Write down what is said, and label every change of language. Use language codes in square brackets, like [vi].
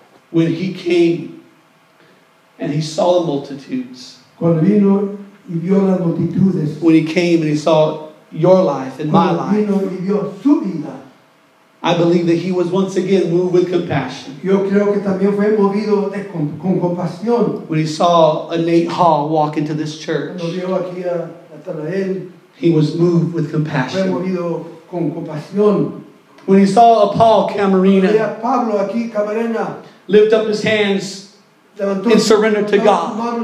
[en] When he came and he saw the multitudes. [es] Cuando vino y vio las multitudes. [en] When he came and he saw your life and [es] cuando [en] my life. [es] Vino y vio su vida. [en] I believe that he was once again moved with compassion. [es] Yo creo que también fue movido de con compasión. [en] When he saw a Nate Hall walk into this church. [es] Cuando vio aquí a Tarael, [en] he was moved with compassion. [es] Fue movido con compasión. [en] When he saw a Paul Camarena. [es] Cuando vio a Pablo aquí, Camarena. [en] Lift up his hands in surrender to God.